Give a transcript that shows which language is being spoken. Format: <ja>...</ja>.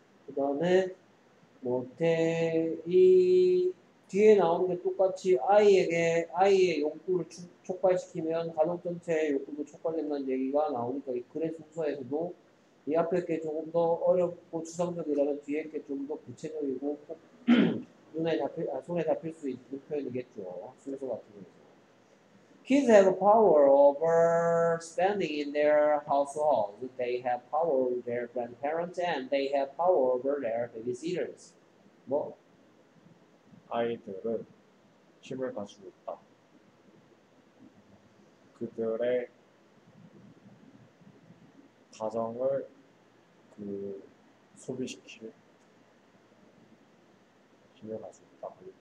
<ko>그 다음에 뭐 이 뒤에 나온 게 똑같이 아이에게 아이의 욕구를 촉발시키면 가족 전체의 욕구도 촉발된다는 얘기가 나오니까 이 글의 순서에서도 이 앞에 게 조금 더 어렵고 추상적이라면 뒤에 게 좀 더 구체적이고 꼭 손에 잡힐 수 있는 표현이겠죠. 순서 같은 경우.</ko> <en>Kids have a power over spending in their household. They have power over their grandparents and they have power over their babysitters.</en> <ko>뭐? 아이들은 힘을 가지고 있다. 그들의 가정을 그 소비시킬 힘을 가지고 있다.</ko>